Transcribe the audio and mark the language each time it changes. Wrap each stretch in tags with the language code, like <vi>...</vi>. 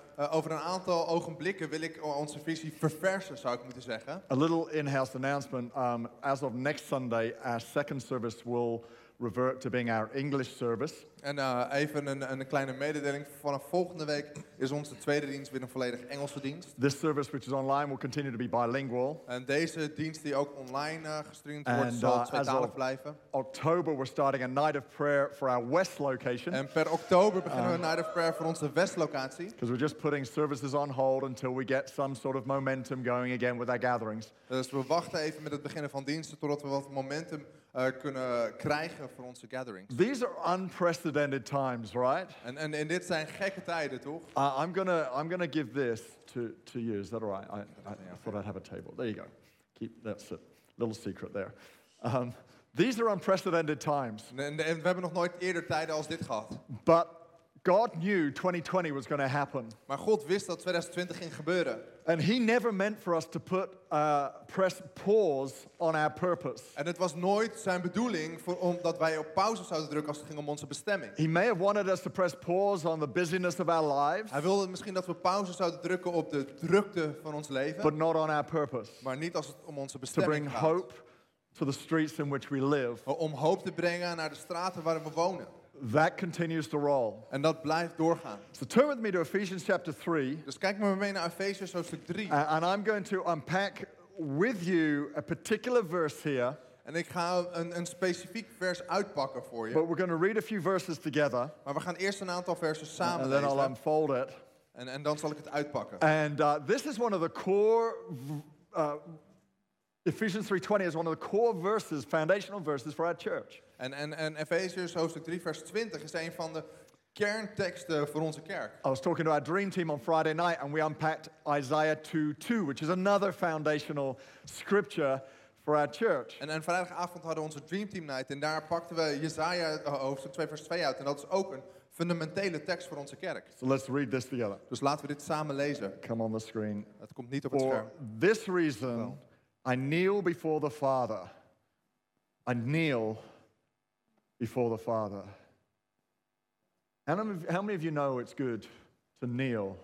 <nl>Over een aantal ogenblikken wil ik onze visie verversen, zou ik moeten zeggen.</nl> <en>A little in-house announcement. As of next Sunday, our second service will revert to being our English service.</en> <nl>En even een kleine mededeling. Vanaf volgende week is onze tweede dienst weer een volledig Engelse dienst.</nl> <en>This service, which is online, will continue to be bilingual.</en> <nl>En deze dienst die ook online gestreamd wordt, zal tweetalig blijven.</nl> <en>October, we're starting a night of prayer for our West location.</en> <nl>En per oktober beginnen we een</nl> <en>night of prayer</en> <nl>voor onze West-locatie.</nl> <en>Because we're just putting services on hold until we get some sort of momentum going again with our gatherings.</en> <nl>Dus we wachten even met het beginnen van diensten totdat we wat momentum kunnen krijgen voor onze gatherings.</nl> <en>These are unprecedented times, right?</en> <nl>En dit zijn gekke tijden, toch?</nl> <en>I'm gonna give this to you. Is that all right? I thought I'd have a table. There you go. Keep that's a little secret there. These are unprecedented times.</en> <nl>En we hebben nog nooit eerder tijden als dit gehad.</nl> <en>But God knew 2020 was going to happen.</en> <nl>Maar God wist dat 2020 ging gebeuren.</nl> <en>And he never meant for us to put press pause on our purpose.</en> <nl>En het was nooit zijn bedoeling omdat wij op pauze zouden drukken als het ging om onze bestemming.</nl> <en>He may have wanted us to press pause on the busyness of our lives.</en> <nl>Hij wilde misschien dat we pauze zouden drukken op de drukte van ons leven.</nl> <en>But not on our purpose.</en> <nl>Maar niet als het om onze bestemming</nl> <en>to bring</en> <nl>gaat.</nl> <en>Hope to the streets in which we live.</en> <nl>Om hoop te brengen naar de straten waar we wonen.</nl> <en>That continues to roll.</en> <nl>En dat blijft doorgaan.</nl> <en>So turn with me to Ephesians chapter 3.</en> <nl>Dus kijk maar mee naar Ephesians hoofdstuk 3.</nl> <en>And I'm going to unpack with you a particular verse here.</en> <nl>En ik ga een specifiek vers uitpakken voor je.</nl> <en>But we're going to read a few verses together.</en> <nl>Maar we gaan eerst een aantal versen samen lezen.</nl> <en>And then I'll unfold it.</en> <nl>En dan zal ik het uitpakken.</nl> <en>And this is one of the core Ephesians 3:20 is one of the core verses, foundational verses for our church.</en> <nl>En Ephesians hoofdstuk 3 vers 20 is een van de kernteksten voor onze kerk.</nl> <en>I was talking to our dream team on Friday night and we unpacked Isaiah 2:2, which is another foundational scripture for our church.</en> <nl>En vrijdagavond hadden we onze</nl> <en>dream team night</en> <nl>en daar pakten we Isaiah hoofdstuk 2 vers 2 uit en dat is ook een fundamentele tekst voor onze kerk.</nl> <en>So let's read this together.</en> <nl>Dus laten we dit samen lezen.</nl> <en>Come on the screen.</en> <nl>Het komt niet op het scherm.</nl> <en>For this reason I kneel before the Father. I kneel before the Father. How many of you know it's good to kneel?</en>